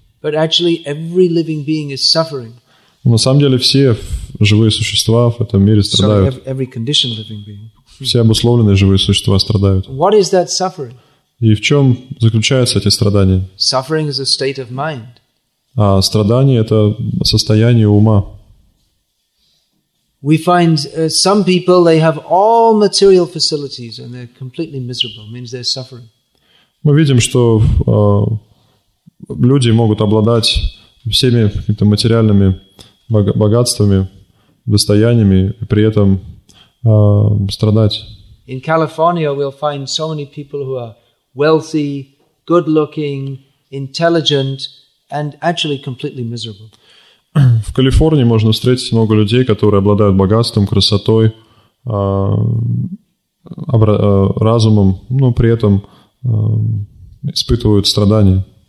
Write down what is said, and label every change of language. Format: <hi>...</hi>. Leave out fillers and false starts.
<en>But actually, every living being is suffering.</en> <ru>На самом деле, все живые существа в этом мире страдают.</ru> <en>Sorry, every conditioned living being.</en> <ru>Все обусловленные живые существа страдают.</ru> <en>What is that suffering?</en> <ru>И в чем заключаются эти страдания?</ru> <en>Suffering is a state of mind.</en> <ru>А страдание это состояние ума.</ru> <en>We find some people they have all material facilities and they're completely miserable. Means they're suffering.</en> <ru>Мы видим, что люди могут обладать всеми какими-то материальными богатствами, достояниями, при этом страдать.</ru> <en>In California, we'll find so many people who are wealthy, good-looking, intelligent, and actually completely miserable.</en> <ru>В Калифорнии можно встретить много людей, которые обладают богатством, красотой, разумом, но при этом испытывают страдания.</ru>